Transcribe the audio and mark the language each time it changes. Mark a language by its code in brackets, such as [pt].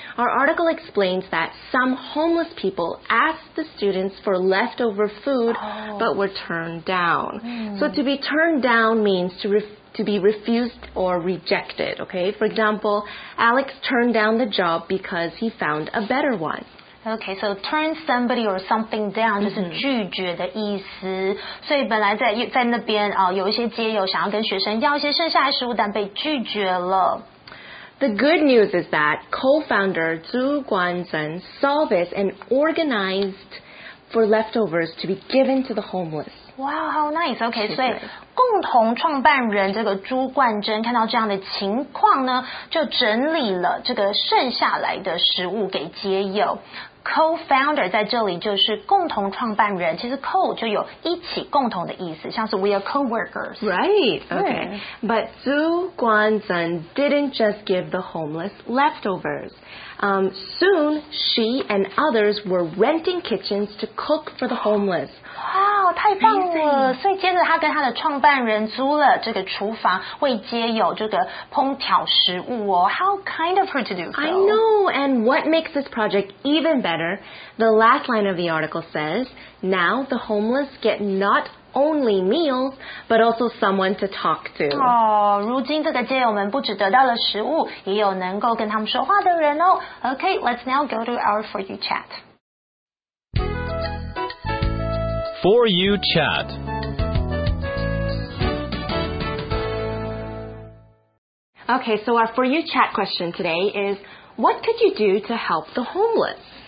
[en] Our article explains that some homeless people asked the students for leftover food, but were turned down. So to be turned down means to be refused or rejected, okay? For example, Alex turned down the job because he found a better one. Okay, so turn somebody or something down、mm-hmm. [zh] 就是拒绝的意思。所以本来在那边、有一些街友想要跟学生要一些剩下的食物，但被拒绝了。 [en] The good news is that co-founder Zhu Guanzhen saw this and organized for leftovers to be given to the homeless. Wow, how nice. Okay, so [zh] 共同创办人这个朱冠珍看到这样的情况呢，就整理了这个剩下来的食物给街友。 Co-founder 在这里就是共同创办人，其实 co 就有一起共同的意思，像是 [en] we are co-workers. Right, okay. But Zhu Guanzhen didn't just give the homeless leftovers. Soon, she and others were renting kitchens to cook for the homeless. [zh] Wow, 太棒了！所以接着他跟他的创办人租了这个厨房，为街友这个烹调食物哦。 [en] How kind of her to do so. I know, and what makes this project even better, the last line of the article says, now the homeless get not only meals, but also someone to talk to. [zh] 哦，如今这个街友们不只得到了食物，也有能够跟他们说话的人哦。 [en] Okay, let's now go to our For You chat. For You chat. Okay, so our For You chat question today is, what could you do to help the homeless?